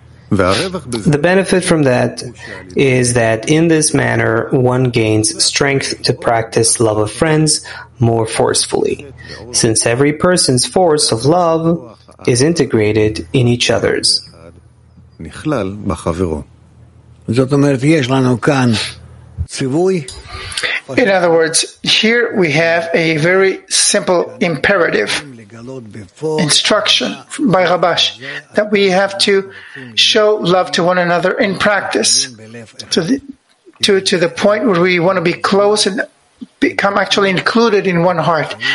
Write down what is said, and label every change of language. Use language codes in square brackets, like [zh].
[en] The benefit from that is that in this manner, one gains strength to practice love of friends more forcefully, since every person's force of love is integrated in each other's. [he] נכלל בחברו. זאת אומרת, יש לנו כאן ציווי. [en] In other words, here we have a very simple imperative instruction by Rabash that we have to show love to one another in practice to the point where we want to be close and become actually included in one heart.